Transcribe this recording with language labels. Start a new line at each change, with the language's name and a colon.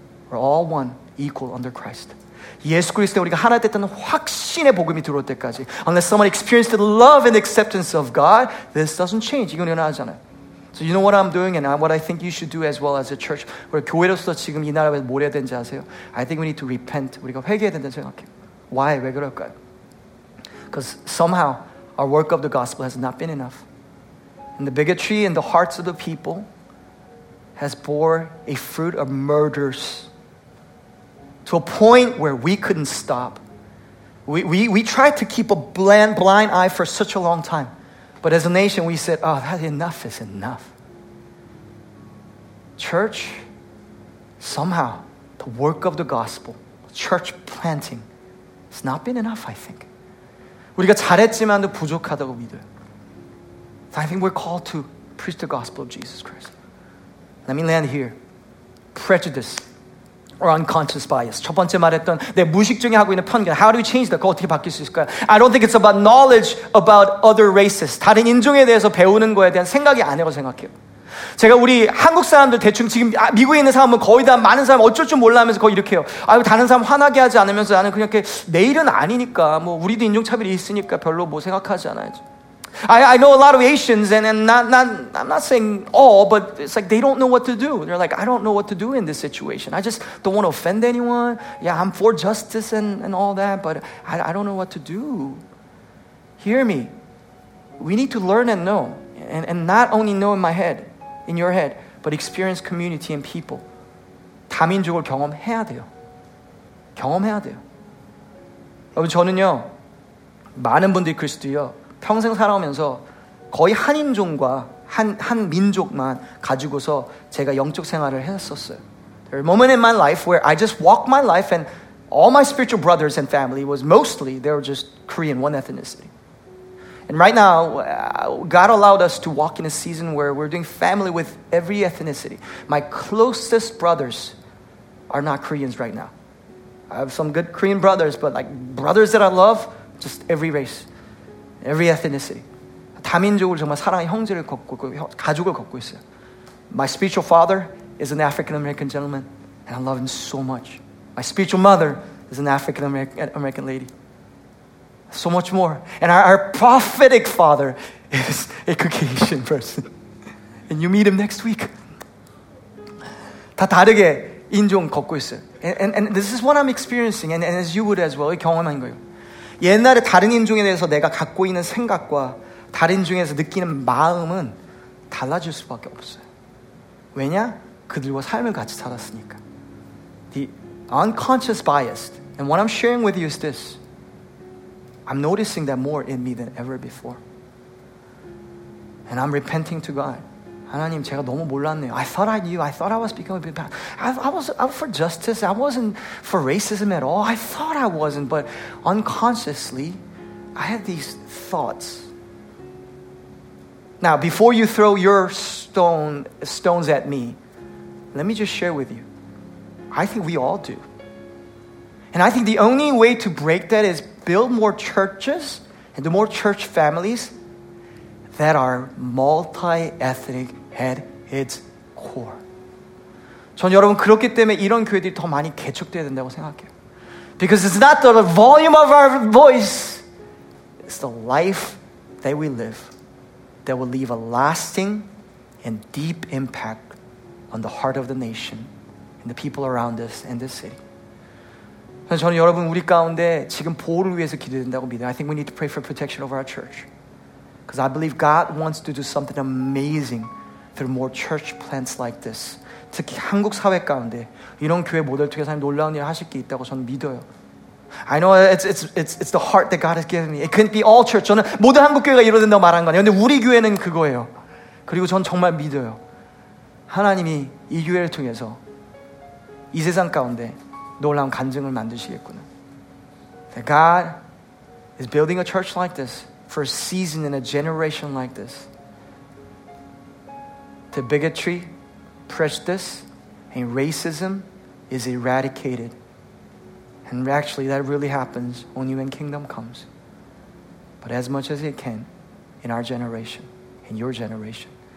English: We're all one, equal under Christ.
Korean: 예수 그리스도에 우리가 하나 됐다는 확신의 복음이 들어올 때까지
English: unless someone experienced the love and acceptance of God, this doesn't change.
Korean: 이건 일어나잖아요.
English: So you know what I'm doing and what I think you should do as well as a church.
Korean: 우리 교회로서 지금 이 나라에 뭘 해야 되는지 아세요?
English: I think we need to repent.
Korean: 우리가 회개해야 된다는 생각해요.
English: Why?
Korean: 왜 그럴까요?
English: Because somehow our work of the gospel has not been enough. And the bigotry in the hearts of the people has bore a fruit of murders. To a point where we couldn't stop. We tried to keep a blind eye for such a long time. But as a nation, we said, oh, that enough is enough. Church, somehow, the work of the gospel, church planting, has not been enough, I think.
Korean: 우리가 잘했지만도 부족하다고 믿어요.
English: I think we're called to preach the gospel of Jesus Christ. Let me land here. Prejudice. Or unconscious bias.
Korean: 첫 번째 말했던 내 무의식 중에 하고 있는 편견.
English: How do we change that?
Korean: 그거 어떻게 바뀔 수 있을까요?
English: I don't think it's about knowledge about other races.
Korean: 다른 인종에 대해서 배우는 거에 대한 생각이 아니라고 생각해요. 제가 우리 한국 사람들 대충 지금 미국에 있는 사람은 거의 다 많은 사람 어쩔 줄 몰라 하면서 거의 이렇게 해요. 아유 다른 사람 화나게 하지 않으면서 나는 그냥 이렇게 내 일은 아니니까 뭐 우리도 인종차별이 있으니까 별로 뭐 생각하지 않아야죠.
English: I know a lot of Asians, and I'm not saying all, but it's like they don't know what to do. They're like, I don't know what to do in this situation. I just don't want to offend anyone. Yeah, I'm for justice and all that, but I don't know what to do. Hear me. We need to learn and know, and not only know in my head, in your head, but experience community and people.
Korean: 다민족을 경험해야 돼요. 경험해야 돼요. 여러분, 저는요, 많은 분들이 그리스도요, 평생 살아오면서 거의 한 인종과 한 민족만 가지고서 제가 영적 생활을 했었어요.
English: There were moments in my life where I just walked my life and all my spiritual brothers and family was mostly, they were just Korean, one ethnicity. And right now, God allowed us to walk in a season where we're doing family with every ethnicity. My closest brothers are not Koreans right now. I have some good Korean brothers, but like brothers that I love, just every race, every ethnicity.
Korean: 다민족을 정말 사랑하는 형제를 걷고 있고, 가족을 걷고 있어요.
English: My spiritual father is an African-American gentleman, and I love him so much. My spiritual mother is an African-American lady. So much more. And our prophetic father is a Caucasian person. And you meet him next week.
Korean: 다 다르게 인종 걷고 있어요.
English: And this is what I'm experiencing, and as you would as well,
Korean: 경험한 거예요. 옛날에 다른 인종에 대해서 내가 갖고 있는 생각과 다른 인종에서 느끼는 마음은 달라질 수밖에 없어요. 왜냐? 그들과 삶을 같이 살았으니까.
English: The unconscious bias, and what I'm sharing with you is this. I'm noticing that more in me than ever before. And I'm repenting to God.
Korean: 하나님, 제가 너무 몰랐네요.
English: I thought I knew. I thought I was becoming a bit bad. I was out for justice. I wasn't for racism at all. I thought I wasn't. But unconsciously, I had these thoughts. Now, before you throw your stones at me, let me just share with you. I think we all do. And I think the only way to break that is build more churches and do more church families that are multi-ethnic at its core.
Korean: 전 여러분 그렇기 때문에 이런 교회들이 더 많이 개척돼야 된다고 생각해요.
English: Because it's not the volume of our voice, it's the life that we live that will leave a lasting and deep impact on the heart of the nation and the people around us and this city.
Korean: 저는 여러분 우리 가운데 지금 보호를 위해서 기도된다고 믿어요.
English: I think we need to pray for protection over our church. Because I believe God wants to do something amazing through more church plants like this.
Korean: 특히 한국 사회 가운데 이런 교회 모델 통해서 하나님 놀라운 일을 하실 게 있다고 저는 믿어요.
English: I know it's the heart that God has given me. It couldn't be all church.
Korean: 저는 모든 한국 교회가 이루어진다고 말한 거 아니에요. 근데 우리 교회는 그거예요. 그리고 저는 정말 믿어요. 하나님이 이 교회를 통해서 이 세상 가운데 놀라운 간증을 만드시겠구나.
English: That God is building a church like this for a season in a generation like this. The bigotry, prejudice, and racism is eradicated. And actually, that really happens only when kingdom comes. But as much as it can in our generation, in your generation.